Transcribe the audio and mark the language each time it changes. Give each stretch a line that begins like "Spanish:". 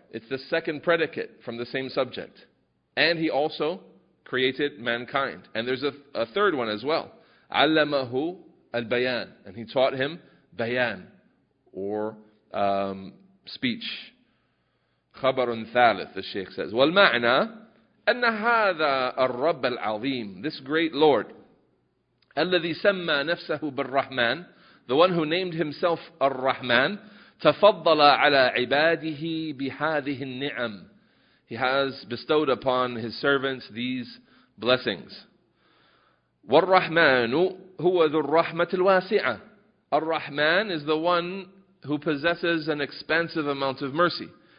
English: It's the second predicate from the same subject. And He also created mankind. And there's a third one as well.
Arabic: عَلَّمَهُ الْبَيَانِ
English: And He taught him bayan, or speech.
Arabic: خَبَرٌ ثَالِثٌ
English: The Shaykh says.
Arabic: وَالْمَعْنَى أَنَّ هَذَا الرَّبَّ الْعَظِيمِ
English: This great Lord.
Arabic: الَّذِي سَمَّى نَفْسَهُ بِالرَّحْمَنِ
English: The one who named himself Ar-Rahman,
Arabic: تَفَضَّلَ عَلَىٰ عِبَادِهِ بِهَذِهِ النِّعَمِ
English: He has bestowed upon his servants these blessings.
Arabic: وَالرَّحْمَانُ هُوَ ذُو الرَّحْمَةِ الْوَاسِعَةِ
English: Ar-Rahman is the one who possesses an expansive amount of mercy.